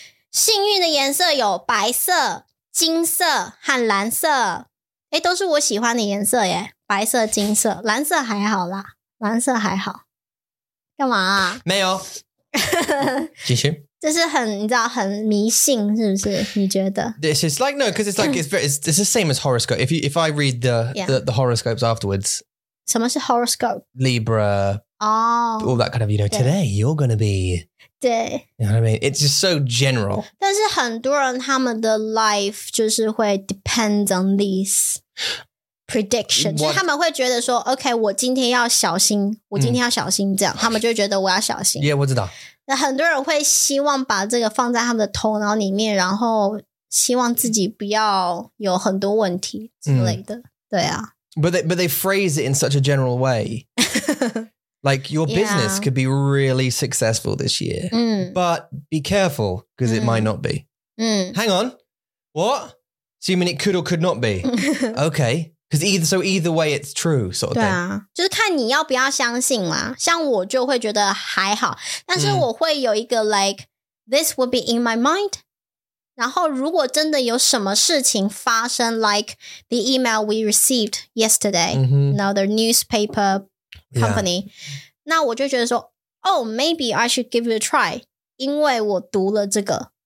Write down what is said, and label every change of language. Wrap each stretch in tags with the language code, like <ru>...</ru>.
<zh>幸运的颜色有白色、金色和蓝色。欸，都是我喜欢的颜色耶。白色、金色。蓝色还好啦。蓝色还好。干嘛啊？没有。继续。这是很，你知道，很迷信，是不是？你觉得</zh> <en>？This is like no, because it's like it's the same as horoscope. If I read the horoscopes afterwards,</en> <zh>什么是 horoscope?</zh> <en>Libra, oh, all that kind of, you know, today you're gonna be,</en> <zh>对,</zh> <en>you know what I mean? It's just so general.</en> <zh>但是很多人他们的 life 就是会</zh> <en>depend on these prediction,</en> <zh>就是他们会觉得说 ，OK, 我今天要小心，我今天要小心，这样，他们就会觉得我要小心。 Yeah, 我知道。那很多人会希望把这个放在他们的头脑里面，然后希望自己不要有很多问题之类的。对啊。</zh> <en>But they phrase it in such a general way. Like your business could be really successful this year. But be careful, because it might not be. Hang on. What? So you mean it could or could not be? Okay. Because either way it's true, sort of thing.</en> <zh>对啊，就是看你要不要相信啦。像我就会觉得还好，但是我会有一个 like,</zh> <en>this would be in my mind.</en> <zh>然后如果真的有什么事情发生</zh> <en>like the email we received yesterday, the newspaper company,</en> <zh>那我就觉得说</zh> <en>oh, maybe I should give it a try,</en> <zh>因为我读了这个。</zh>